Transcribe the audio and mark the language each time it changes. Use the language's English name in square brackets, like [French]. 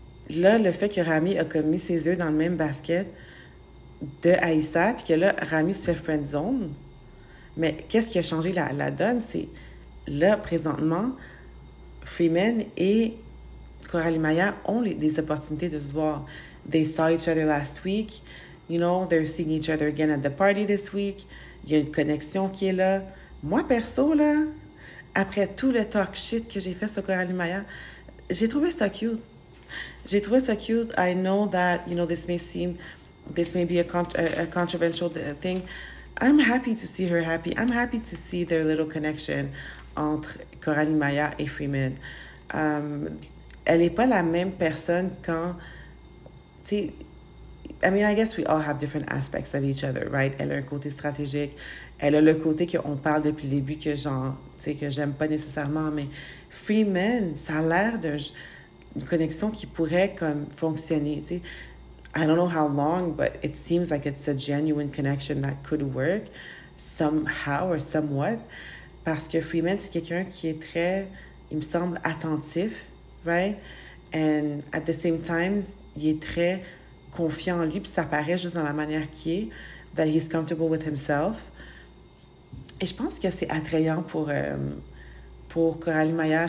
[French] Là, le fait que Rami a comme mis ses œufs dans le même basket de Aïssa, puis que là, Rami se fait friend zone. Mais qu'est-ce qui a changé la donne? C'est là, présentement, Freeman et Coralie Maillard ont des opportunités de se voir. [English] They saw each other last week. They're seeing each other again at the party this week. [French] Il y a une connexion qui est là. Moi, perso, là, après tout le talk shit que j'ai fait sur Coralie Maillard, j'ai trouvé ça cute. J'ai trouvé ça cute. [English] I know that, this may be a controversial thing. I'm happy to see her happy. I'm happy to see their little connection [French] entre Coralie Maillard et Freeman. Elle n'est pas la même personne quand. T'sais, [English] I mean, I guess we all have different aspects of each other, right? [French] Elle a un côté stratégique. Elle a le côté qu'on parle depuis le début que genre, t'sais, que j'aime pas nécessairement. Mais Freeman, ça a l'air d'une connexion qui pourrait comme fonctionner. T'sais. [English] I don't know how long, but it seems like it's a genuine connection that could work somehow or somewhat. [French] Parce que Freeman, c'est quelqu'un qui est très, il me semble, attentif, right? [English] And at the same time, [French] il est très confiant en lui, puis ça paraît juste dans la manière qu'il est, [English] that he's comfortable with himself. [French] Et je pense que c'est attrayant pour Coralie Maillard.